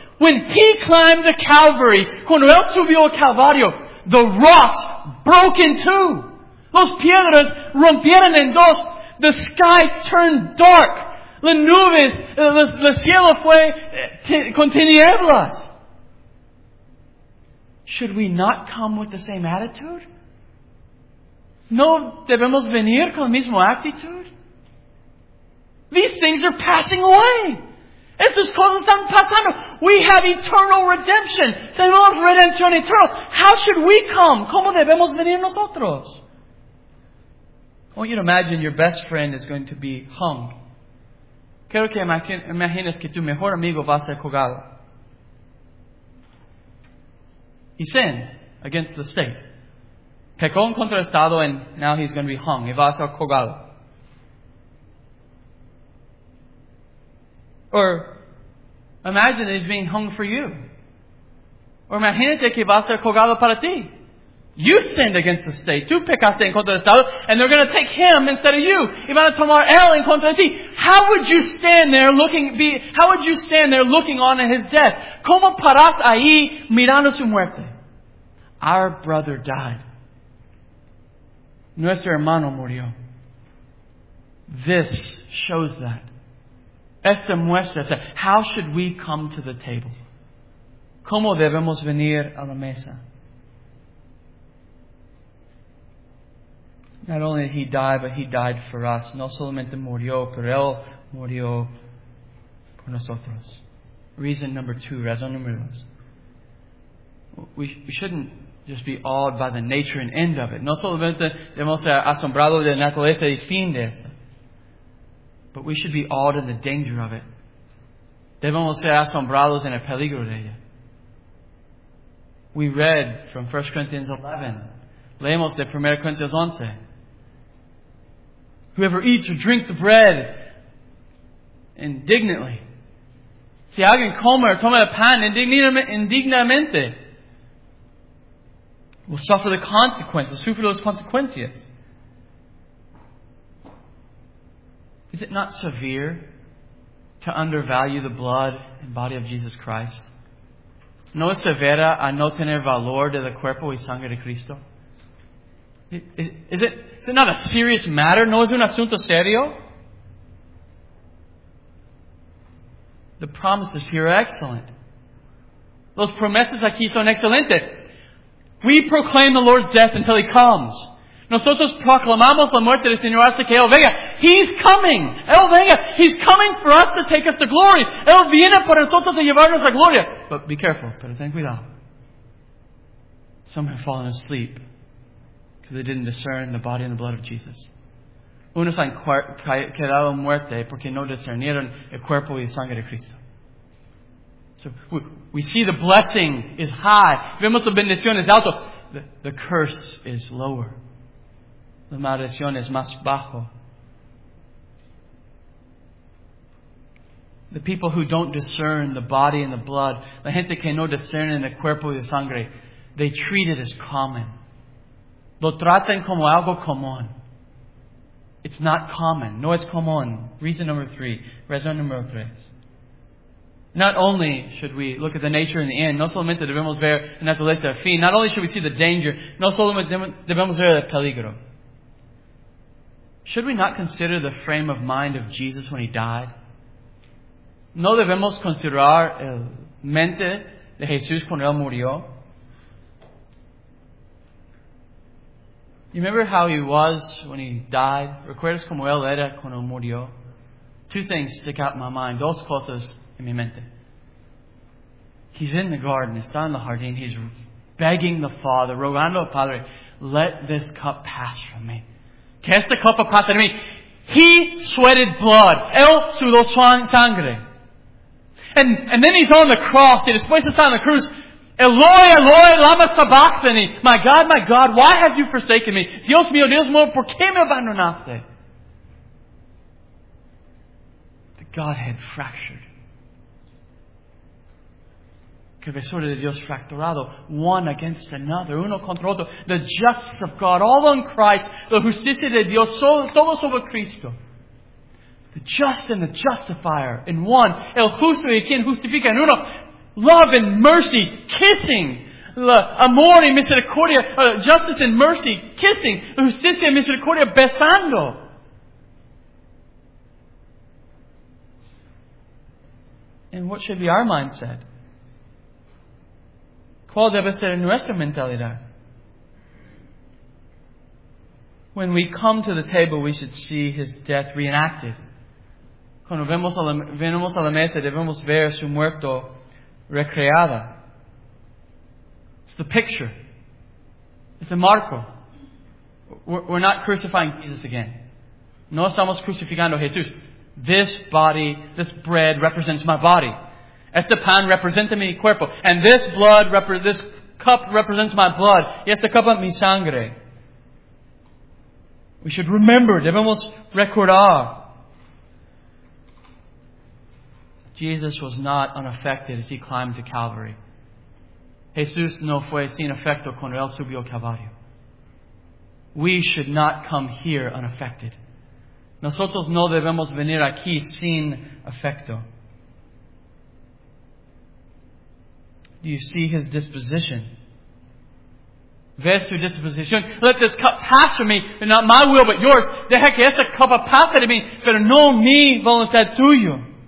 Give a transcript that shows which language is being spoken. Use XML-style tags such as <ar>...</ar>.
<en>When He climbed the Calvary,</en> <es>cuando Él subió al Calvario,</es> <en>the rocks broke in two.</en> <es>Los piedras rompieron en dos.</es> <en>The sky turned dark.</en> <es>Las nubes, el cielo fue con tinieblas.</es> <en>Should we not come with the same attitude?</en> <es>¿No debemos venir con la misma actitud?</es> <en>These things are passing away.</en> <es>Estas cosas están pasando.</es> <en>We have eternal redemption.</en> <es>Tenemos redención eterna.</es> <en>How should we come?</en> <es>¿Cómo debemos venir nosotros?</es> <en>I want you to imagine your best friend is going to be hung.</en> <es>Quiero que imagines que tu mejor amigo va a ser colgado. Y send.</es> <en>against the state.</en> <es>Pecó en contra el Estado,</es> <en>and now he's going to be hung.</en> <es>Y va a ser colgado.</es> <en>Or imagine he's being hung for you.</en> <es>Or imagínate que va a ser colgado para ti.</es> <en>You sinned against the state.</en> <es>Tú pecaste en contra del Estado,</es> <en>and they're going to take him instead of you.</en> <es>Y van a tomar él en contra de ti.</es> <en>How would you stand there looking? How would you stand there looking on at his death?</en> <es>¿Cómo paras ahí mirando su muerte?</es> <en>Our brother died.</en> <es>Nuestro hermano murió.</es> <en>This shows that.</en> <es>Esta muestra.</es> <en>How should we come to the table?</en> <es>¿Cómo debemos venir a la mesa?</es> <en>Not only did he die, but he died for us.</en> <es>No solamente murió, pero él murió por nosotros.</es> <en>Reason number two,</en> <es>razón número dos.</es> <en>We shouldn't just be awed by the nature and end of it.</en> <es>No solamente debemos ser asombrados de la naturaleza y fin de esto.</es> <en>But we should be awed in the danger of it.</en> <es>Debemos ser asombrados en el peligro de ella.</es> <en>We read from 1 Corinthians 11.</en> <es>Leemos de 1 Corinthians 11.</es> <en>Whoever eats or drinks the bread indignantly.</en> <es>Si alguien come o toma el pan indignamente,</es> <en>will suffer the consequences.</en> <es>Sufre las consecuencias.</es> <en>Is it not severe to undervalue the blood and body of Jesus Christ?</en> <es>¿No es severa a no tener valor de el cuerpo y sangre de Cristo?</es> <en>Is it not a serious matter?</en> <es>¿No es un asunto serio?</es> <en>The promises here are excellent.</en> <es>Los promesas aquí son excelentes.</es> <en>We proclaim the Lord's death until He comes.</en> <es>Nosotros proclamamos la muerte del Señor hasta que Él venga.</es> <en>He's coming.</en> <es>Él venga.</es> <en>He's coming for us to take us to glory.</en> <es>Él viene por nosotros a llevarnos a gloria.</es> <en>But be careful.</en> <es>Pero ten cuidado.</es> <en>Some have fallen asleep because they didn't discern the body and the blood of Jesus.</en> <es>Unos han quedado muerte porque no discernieron el cuerpo y sangre de Cristo.</es> <en>So we see the blessing is high.</en> <es>Vemos la bendición es alto.</es> <en>The curse is lower.</en> <es>La maldición es más bajo.</es> <en>The people who don't discern the body and the blood,</en> <es>la gente que no discerne el cuerpo y la sangre,</es> <en>they treat it as common.</en> <es>Lo tratan como algo común.</es> <en>It's not common.</en> <es>No es común.</es> <en>Reason number three.</en> <es>Razón número tres.</es> <en>Not only should we look at the nature and the end,</en> <es>no solamente debemos ver la naturaleza del fin,</es> <en>not only should we see the danger,</en> <es>no solamente debemos ver el peligro.</es> <en>Should we not consider the frame of mind of Jesus when He died?</en> <es>¿No debemos considerar el mente de Jesús cuando Él murió?</es> <en>You remember how He was when He died?</en> <es>¿Recuerdas cómo Él era cuando murió?</es> <en>Two things stick out in my mind.</en> <es>Dos cosas en mi mente.</es> <en>He's in the garden.</en> <es>Está en el jardín.</es> <en>He's begging the Father,</en> <es>rogando al Padre,</es> <en>let this cup pass from me.</en> <es>Que esta copa pase de mí.</es> <en>He sweated blood.</en> <es>Él sudó sangre.</es> <en>And then he's on the cross.</en> <es>Y después está en la cruz.</es> <arc>Eloi, Eloi, lama sabachthani.</arc> <en>My God, why have you forsaken me?</en> <es>Dios mío, ¿por qué me abandonaste?</es> <en>The Godhead fractured.</en> <es>Cabezura de Dios fracturado,</es> <en>one against another,</en> <es>uno contra otro.</es> <en>The justice of God, all on Christ, the</en> <es>justicia de Dios, todo sobre Cristo.</es> <en>The just and the justifier in one,</en> <es>el justo y quien justifica en uno.</es> <en>Love and mercy, kissing.</en> <es>Amor y misericordia,</es> <en>justice and mercy, kissing.</en> <es>Justicia y misericordia, besando.</es> <en>And what should be our mindset?</en> <es>¿Cuál debe ser nuestra mentalidad?</es> <en>When we come to the table, we should see His death reenacted.</en> <es>Cuando venimos a la mesa, debemos ver su muerto recreada.</es> <en>It's the picture. It's a marco. We're not crucifying Jesus again.</en> <es>No estamos crucificando a Jesús.</es> <en>This body, this bread represents my body.</en> <es>Este pan representa mi cuerpo.</es> <en>And this cup represents my blood.</en> <es>Y esta copa mi sangre.</es> <en>We should remember.</en> <es>Debemos recordar.</es> <en>Jesus was not unaffected as he climbed to Calvary.</en> <es>Jesús no fue sin efecto cuando él subió al Calvario.</es> <en>We should not come here unaffected.</en> <es>Nosotros no debemos venir aquí sin efecto.</es> <en>Do you see his disposition?</en> <es>Ves su disposición.</es> <en>Let this cup pass from me, and not my will but yours.</en> <es>Deja que esta copa pase de mí, pero no mi voluntad tuya.</es>